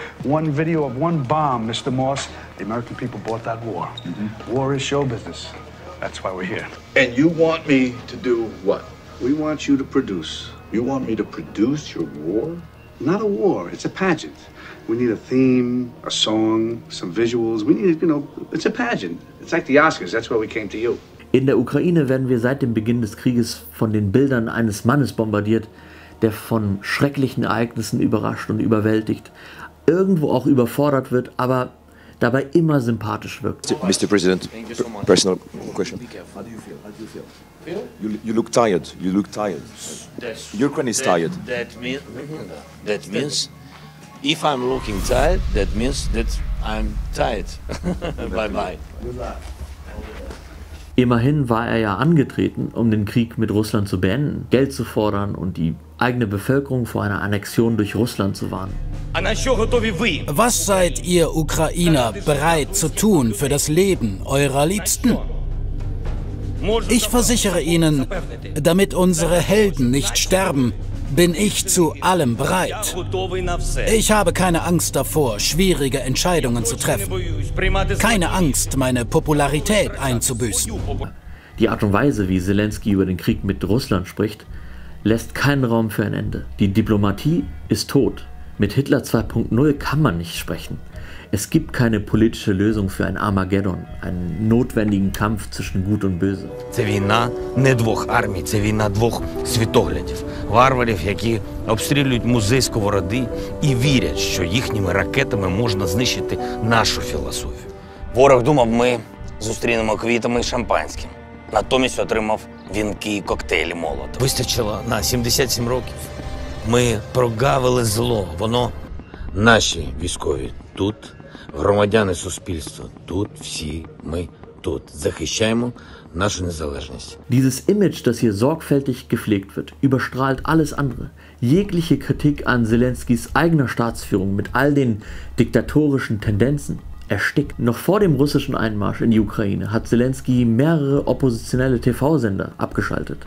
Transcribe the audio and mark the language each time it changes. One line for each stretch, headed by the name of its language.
English: One video of one bomb, Mr. Moss, the American people bought that war. Mm-hmm. War is show business. That's why we're here. And you want me to do what? We want you to produce. You want me to produce your war? Not a war, it's a pageant. We need a theme, a song, some visuals. We need, you know, it's a pageant. It's like the Oscars, that's why we came to you.
German: In der Ukraine werden wir seit dem Beginn des Krieges von den Bildern eines Mannes bombardiert, der von schrecklichen Ereignissen überrascht und überwältigt, irgendwo auch überfordert wird, aber dabei immer sympathisch wirkt.
English: Mr. President, personal question. You look tired. You look tired. Ukraine is tired. That means, if I'm looking tired, that means that I'm tired. Bye bye.
German: Immerhin war er ja angetreten, um den Krieg mit Russland zu beenden, Geld zu fordern und die eigene Bevölkerung vor einer Annexion durch Russland zu warnen. Was seid ihr Ukrainer bereit zu tun für das Leben eurer Liebsten? Ich versichere Ihnen, damit unsere Helden nicht sterben, bin ich zu allem bereit. Ich habe keine Angst davor, schwierige Entscheidungen zu treffen. Keine Angst, meine Popularität einzubüßen. Die Art und Weise, wie Selenskyj über den Krieg mit Russland spricht, lässt keinen Raum für ein Ende. Die Diplomatie ist tot. Mit Hitler 2.0 kann man nicht sprechen. Es gibt keine politische Lösung für ein Armageddon, einen notwendigen Kampf zwischen Gut und Böse.
Ukrainian: Це війна не двох армій, це війна двох світоглядів. Варварів, які обстрілюють музей Сковороди і вірять, що їхніми ракетами можна знищити нашу філософію. Ворог думав, ми зустрінемо квітами і шампанським. Натомість отримав вінки і коктейлі Молотова. Вистачило на 77 років. Ми прогавили зло, воно наші військові тут. Громадяни суспільства тут, всі ми тут. Захищаємо нашу незалежність.
German: Dieses Image, das hier sorgfältig gepflegt wird, überstrahlt alles andere. Jegliche Kritik an Selenskyjs eigener Staatsführung mit all den diktatorischen Tendenzen erstickt. Noch vor dem russischen Einmarsch in die Ukraine hat Selenskyj mehrere oppositionelle TV-Sender abgeschaltet.